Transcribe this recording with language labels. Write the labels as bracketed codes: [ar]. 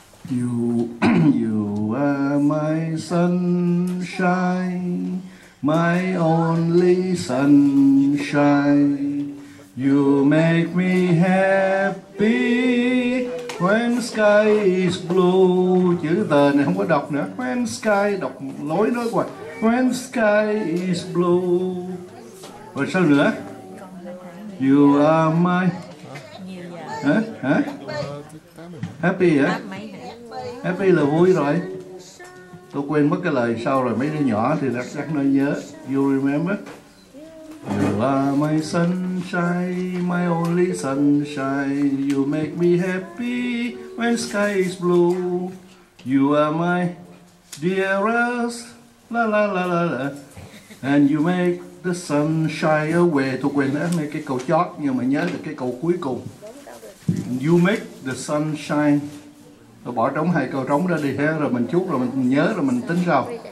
[en] You are my sunshine, my only sunshine. You make me happy when sky is blue. [vi] Chữ tờ này không có đọc nữa. [en] When sky, [vi] đọc lối nói quá. [en] When sky is blue. [vi] Rồi sao nữa? [en] You are my... [vi] Hả? Happy hả? Happy là vui rồi. Tôi quên mất cái lời sau rồi. Mấy đứa nhỏ thì chắc nó nhớ. [en] You remember? You are my sunshine, my only sunshine. You make me happy when sky is blue. You are my dearest. La la la la la. And you make the sun shine away. [vi] Tôi quên đó, mấy cái câu chót. Nhưng mà nhớ được cái câu cuối cùng. [en] You make the sun shine. [vi] Tôi bỏ trống hai câu trống ra đi ha. Rồi mình chút, rồi mình nhớ, rồi mình tính sau.